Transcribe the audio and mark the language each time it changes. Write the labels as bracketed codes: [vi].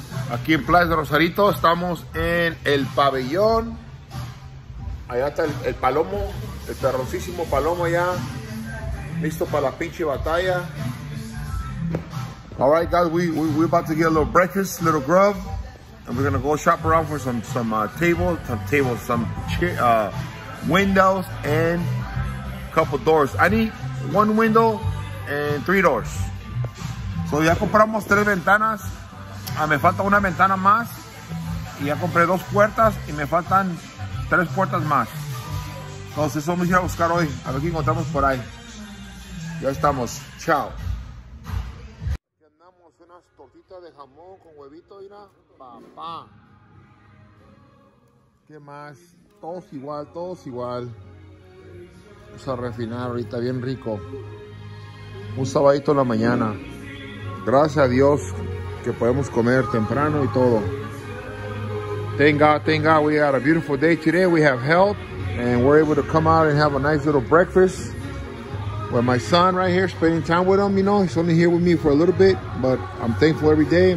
[es] Aquí en Playa de Rosarito estamos en el pabellón. Allá está el palomo, el perroncísimo palomo ya. Listo para la pinche batalla. [en] All right, guys, we're about to get a little breakfast, little grub. And we're going to go shop around for some windows and a couple doors. I need one window and three doors. So [es] ya compramos tres ventanas. Me falta una ventana más y ya compré dos puertas y me faltan tres puertas más. Entonces eso me voy a buscar hoy, a ver qué encontramos por ahí. Ya estamos, chao. Aquí andamos, unas tortitas de jamón con huevito, mira, papá. ¿Qué más? Todos igual. Vamos a refinar ahorita, bien rico. Un sabadito en la mañana. Gracias a Dios que podemos comer temprano y todo. [en] Thank God, we had a beautiful day today. We have health and we're able to come out and have a nice little breakfast with my son right here, spending time with him. You know, he's only here with me for a little bit, but I'm thankful every day.